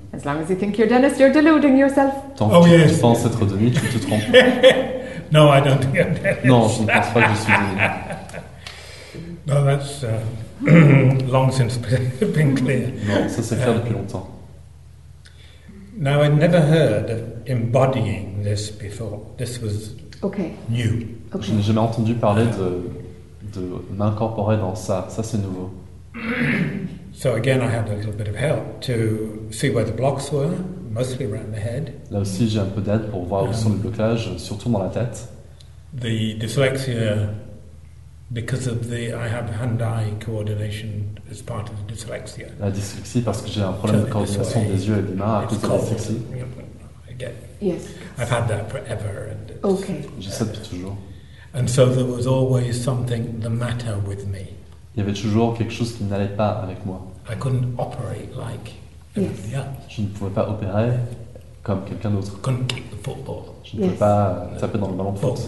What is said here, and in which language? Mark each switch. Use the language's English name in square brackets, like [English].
[English] As long as you think you're Dennis, you're deluding yourself. [French] Tant que tu penses être Denis, tu te trompes. [English] No, I don't think I'm Dennis. [French] Non, je ne pense pas que je suis Dennis. [English] No, that's long since been clear. [French] Non, ça s'est clair depuis longtemps. [English] Now, I'd never heard of embodying this before. This was okay. New. Okay. [French] Je n'ai jamais entendu parler de m'incorporer dans ça. Ça, c'est nouveau. [English] So again, I had a little bit of help to see where the blocks were. Mostly around the head. [French] Là aussi, j'ai un peu d'aide pour voir où sont les blocages, surtout dans la tête. [English] The dyslexia, because of the, I have hand-eye coordination as part of the dyslexia. [French] La dyslexie parce que j'ai un problème de coordination des yeux et des mains à cause de la dyslexie. [English] Yes. I've had that forever. And okay. [French] J'ai ça depuis toujours. [English] And so there was always something the matter with me. [French] Il y avait toujours quelque chose qui n'allait pas avec moi. [English] I couldn't operate like. Yes. [French] Je ne pouvais pas opérer comme quelqu'un d'autre. [English] Can kick the football. [French] Je ne peux pas taper dans le ballon de foot.